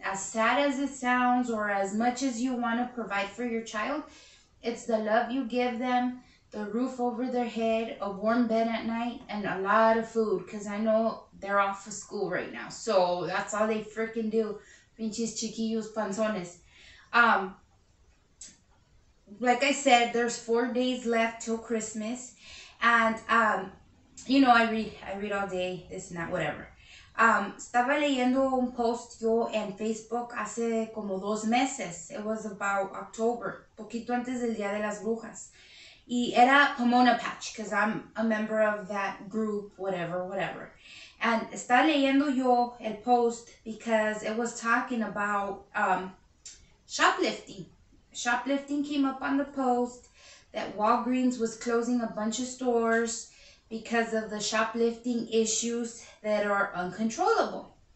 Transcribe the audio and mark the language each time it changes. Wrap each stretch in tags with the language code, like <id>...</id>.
<en>As sad as it sounds, or as much as you want to provide for your child, it's the love you give them, the roof over their head, a warm bed at night, and a lot of food, because I know they're off of school right now, so that's all they freaking do,</en> <es>pinches chiquillos panzones.</es> <en>Like I said, there's 4 days left till Christmas, and, you know, I read all day, this and that, whatever.</en> <es>Estaba leyendo un post yo en Facebook hace como 2 meses.</es> <en>It was about October,</en> <es>poquito antes del Día de las Brujas. Y era</es> <en>Pomona Patch, because I'm a member of that group, whatever, whatever. And</en> <es>estaba leyendo yo el</es> <en>post because it was talking about shoplifting. Shoplifting came up on the post that Walgreens was closing a bunch of stores because of the shoplifting issues that are uncontrollable.</en>